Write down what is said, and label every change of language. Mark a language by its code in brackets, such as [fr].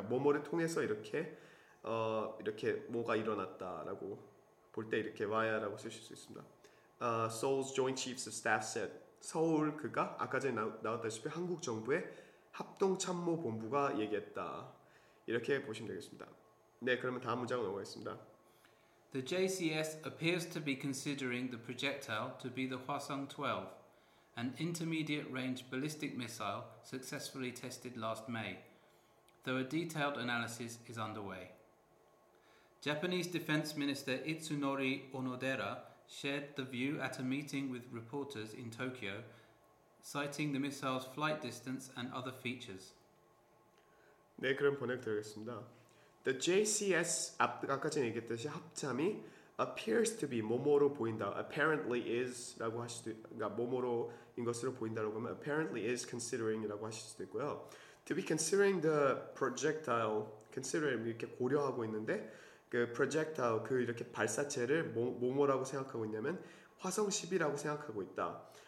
[ko] 뭐뭐를 통해서 이렇게 이렇게 뭐가 일어났다라고 볼 때 이렇게 와야라고 쓰실 수 있습니다. [en] Seoul's Joint Chiefs of Staff said, [ko] 서울 그가 아까 전에 나왔다시피 한국 정부의 합동 참모 본부가 얘기했다. 이렇게 보시면 되겠습니다. 네, 그러면 다음 문장으로 넘어가겠습니다. [en] The JCS appears to be considering the projectile to be the Hwasong-12, an intermediate-range ballistic missile successfully tested last May, though a detailed analysis is underway. Japanese Defense Minister Itsunori Onodera shared the view at a meeting with reporters in Tokyo, citing the missile's flight distance and other features. [ko] 네, 그럼 보내드리겠습니다. [en] The JCS, [ko] 아까 전에 얘기했듯이 합참이 [en] appears to be [ko] 뭐뭐로 보인다, [en] apparently is [ko] 라고 하실 수도, 그러니까 뭐뭐로인 것으로 보인다라고 하면 [en] apparently is considering [ko] 이라고 하실 수도 있고요. [en] To be considering the projectile, considering [ko] 이렇게 고려하고 있는데 그 [en] projectile, [ko] 그 이렇게 발사체를 뭐뭐라고 생각하고 있냐면 화성 12라고 생각하고 있다.